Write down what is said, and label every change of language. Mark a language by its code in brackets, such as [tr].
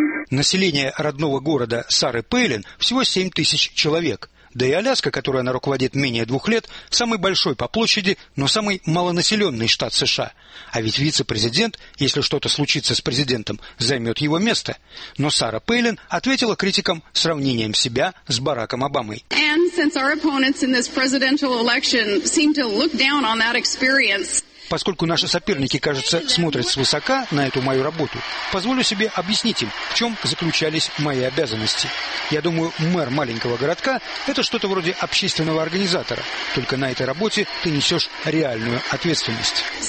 [ru] Население родного города Сары Пейлин всего 7 тысяч человек. Да и Аляска, которой она руководит менее 2 лет, самый большой по площади, но самый малонаселенный штат США. А ведь вице-президент, если что-то случится с президентом, займет его место. Но Сара Пейлин ответила критикам сравнением себя с Бараком Обамой. [en] And since our opponents in this presidential election seem to look down on that experience. [ru] Поскольку наши соперники, кажется, смотрят свысока на эту мою работу, позволю себе объяснить им, в чем заключались мои обязанности. Я думаю, мэр маленького городка – это что-то вроде общественного организатора. Только на этой работе ты несешь реальную ответственность.